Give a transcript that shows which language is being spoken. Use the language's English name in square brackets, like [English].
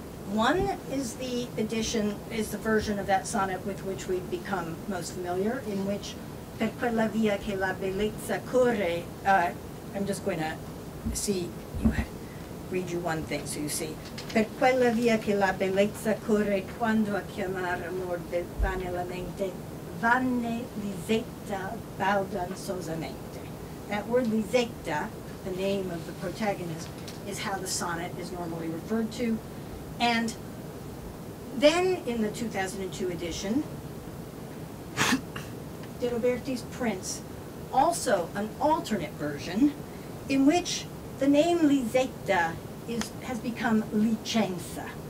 [English] One is the edition, is the version of that sonnet with which we've become most familiar, in which [Italian] Per quella via che la bellezza corre, [English] I'm just going to see, you read you one thing so you see. [Italian] Per quella via che la bellezza corre, quando a chiamare amor vane la mente, vanne Lisetta baldanzosamente. [English] That word Lisetta, the name of the protagonist, is how the sonnet is normally referred to. And then in the 2002 edition, De Robertis prints also an alternate version in which the name Lisetta has become Licenza.